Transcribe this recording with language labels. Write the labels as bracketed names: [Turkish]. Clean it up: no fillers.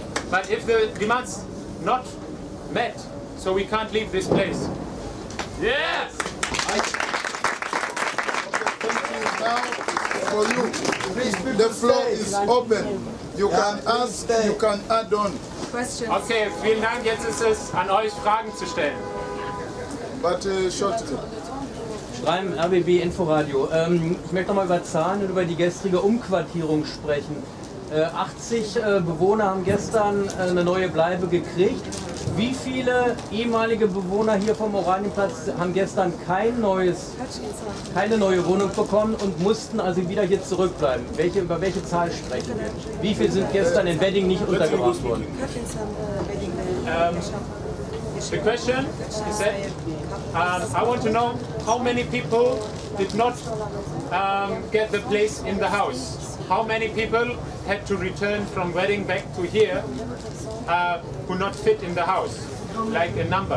[English] But if the demands not met, so we can't leave this place. Yes! For you, please, the floor stay. Is open. You yeah, can ask, stay. You can add on. Questions. [German] Okay, vielen Dank. Jetzt ist es an euch, Fragen zu stellen. [English] But shortly. [German] Schreiben RBB Inforadio. Ich möchte noch mal über Zahlen und über die gestrige Umquartierung sprechen. 80 Bewohner haben gestern eine neue Bleibe gekriegt. Wie viele ehemalige Bewohner hier vom Oranienplatz haben gestern keine neue Wohnung bekommen und mussten also wieder hier zurückbleiben? Über welche Zahl sprechen wir? Wie viele sind gestern in Wedding nicht untergebracht worden? [English] The question is that I want to know how many people did not get the place in the house? How many people had to return from Wedding back to here? Who not fit in the house, like a number.